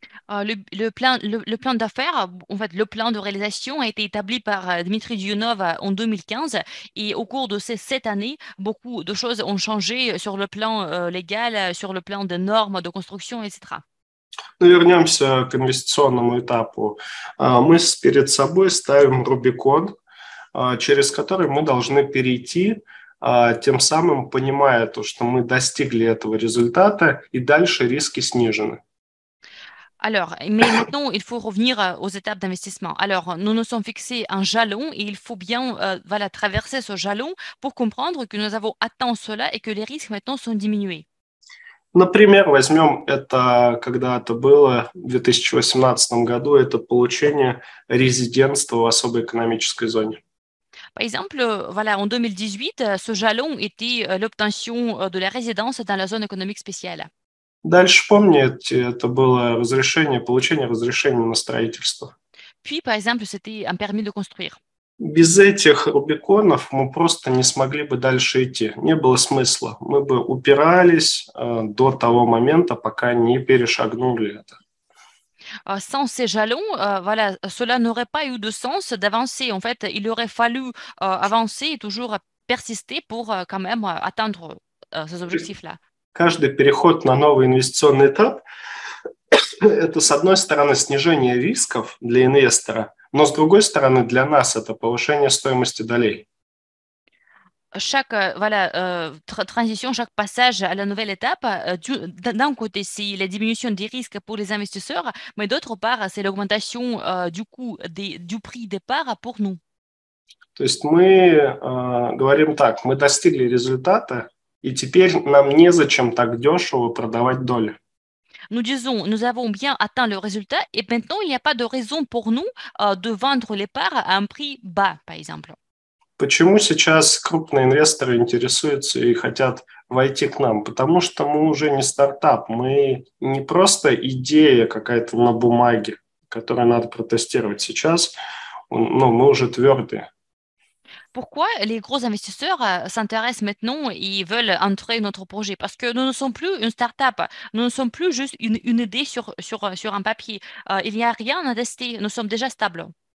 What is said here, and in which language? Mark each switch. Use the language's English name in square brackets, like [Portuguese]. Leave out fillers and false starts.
[French] Le plan d'affaires, en fait, le plan de réalisation a été établi par Dmitri Dionov en 2015. Et au cours de ces 7 années, beaucoup de choses ont changé sur le plan légal, sur le plan des normes de construction, etc. [Russian] Вернемся к инвестиционному этапу. Мы перед собой ставим Рубикон, через который мы должны перейти, тем самым понимая то, что мы достигли этого результата, и дальше риски снижены. [French] Alors, mais maintenant, il faut revenir aux étapes d'investissement. Alors, nous nous sommes fixés un jalon et il faut bien voilà, traverser ce jalon pour comprendre que nous avons atteint cela et que les risques maintenant sont diminués. [Russian] Например, возьмем это, когда это было в 2018 году, это получение резидентства в особой экономической зоне. [French] Par exemple, voilà, en 2018, ce jalon était l'obtention de la résidence dans la zone économique spéciale. [Russian] Дальше, помните, это было разрешение, получение разрешения на строительство. [French] Puis, par exemple, c'était un permis de construire. [Russian] Без этих рубиконов мы просто не смогли бы дальше идти. Не было смысла. Мы бы упирались, до того момента, пока не перешагнули это. [French] Sans ces jalons, voilà, cela n'aurait pas eu de sens d'avancer. En fait, il aurait fallu avancer et toujours persister pour quand même atteindre ces objectifs-là. [Russian] Каждый переход на новый инвестиционный этап – это, с одной стороны, снижение рисков для инвестора, но, с другой стороны, для нас это повышение стоимости долей. [French] Chaque voilà, transition, chaque passage à la nouvelle étape, d'un côté, c'est la diminution des risques pour les investisseurs, mais d'autre part, c'est l'augmentation du coût du prix départ pour nous. [Russian] То есть мы говорим так, мы достигли результата, и теперь нам незачем так дешево продавать долю. [French] Nous disons, nous avons bien atteint le résultat et maintenant, il n'y a pas de raison pour nous de vendre les parts à un prix bas, par exemple. [Russian] Почему сейчас крупные инвесторы интересуются и хотят войти к нам? Потому что мы уже не стартап, мы не просто идея какая-то на бумаге, которую надо протестировать сейчас, но мы уже твердые. [French] Pourquoi les gros investisseurs s'intéressent maintenant et veulent entrer notre projet? Parce que nous ne sommes plus une start-up, nous ne sommes plus juste une idée sur un papier. Il n'y a rien à tester, nous sommes déjà stables.